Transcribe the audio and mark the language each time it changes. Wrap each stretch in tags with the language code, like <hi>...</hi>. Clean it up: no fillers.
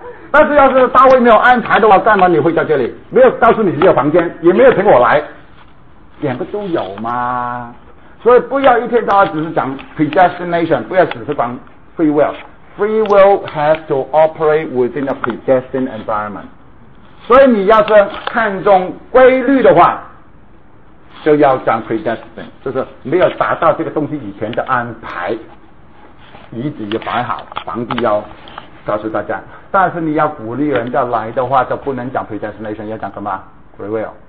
<zh>但是要是大卫没有安排的话，干嘛你会在这里？没有告诉你这个房间，也没有请我来，两个都有嘛。所以不要一天到晚只是讲 predestination， 不要只是讲 free will。</zh> <en>Free will has to operate within a predestined environment。</en> <zh>所以你要是看重规律的话，就要讲 predestination， 就是没有达到这个东西以前的安排，遗址也摆好，房地要告诉大家。但是你要鼓励人家来的话，就不能讲 predestination， 要讲什么 free will。</zh>